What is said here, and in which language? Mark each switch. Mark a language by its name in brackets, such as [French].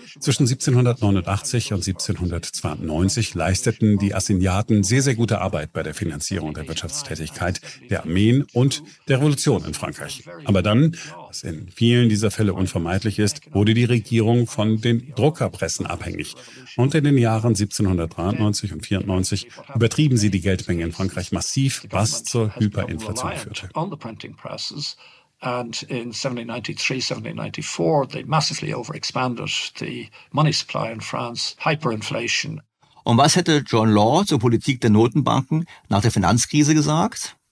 [German] Zwischen 1789 und 1792 leisteten die Assignaten sehr, sehr gute Arbeit bei der Finanzierung der Wirtschaftstätigkeit, der Armeen und der Revolution in Frankreich. Aber dann, was in vielen dieser Fälle unvermeidlich ist, wurde die Regierung von den Druckerpressen abhängig. Und in den Jahren 1793 und 94 übertrieben sie die Geldmenge in Frankreich massiv, was zur Hyperinflation führte. [English] On the printing presses, and in 1793, 1794, they massively overexpanded the money supply in France, hyperinflation. [German] Und was hätte John Law zur Politik der Notenbanken nach der Finanzkrise gesagt?